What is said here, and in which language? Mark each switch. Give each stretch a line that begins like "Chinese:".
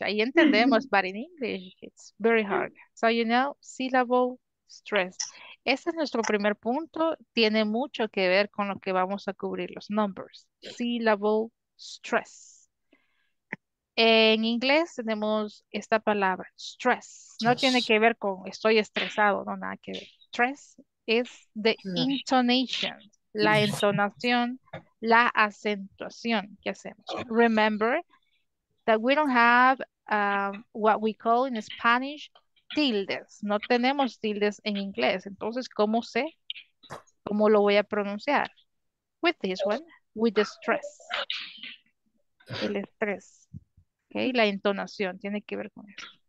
Spanish: Ahí entendemos,
English: but in English it's very hard. So you know, syllable stress.
Spanish: Ese es nuestro primer punto. Tiene mucho que ver con lo que vamos a cubrir, los numbers. Syllable stress. En inglés tenemos esta palabra, stress. No tiene que ver con estoy estresado, no, nada que ver. Stress es
English: the intonation,
Spanish: la entonación, la acentuación que hacemos.
English: Remember that we don't have what we call in Spanish tildes.
Spanish: No tenemos tildes en inglés. Entonces, ¿cómo sé cómo lo voy a pronunciar?
English: With this one, with the stress.
Spanish: El estrés. Okay, la entonación tiene que ver con esto.